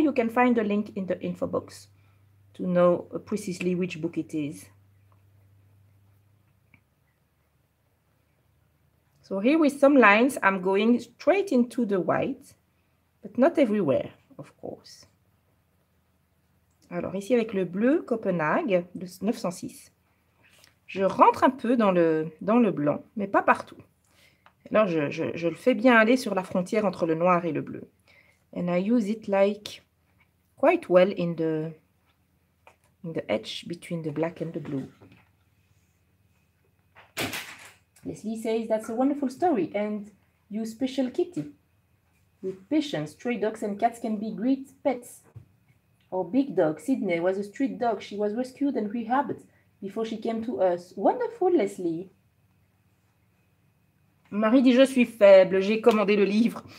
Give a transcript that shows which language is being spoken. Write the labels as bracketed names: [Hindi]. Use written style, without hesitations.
[English] You can find the link in the info box to know precisely which book it is. So here with some lines, I'm going straight into the white, but not everywhere, of course. [French] Alors ici avec le bleu Copenhague, le 906, je rentre un peu dans le blanc, mais pas partout. Alors je le fais bien aller sur la frontière entre le noir et le bleu. [English] And I use it like quite well in the edge between the black and the blue. Leslie says, that's a wonderful story and you special kitty. With patience, stray dogs and cats can be great pets. Our big dog, Sydney, was a street dog. She was rescued and rehabbed before she came to us. Wonderful, Leslie. [French] Marie dit, je suis faible, j'ai commandé le livre.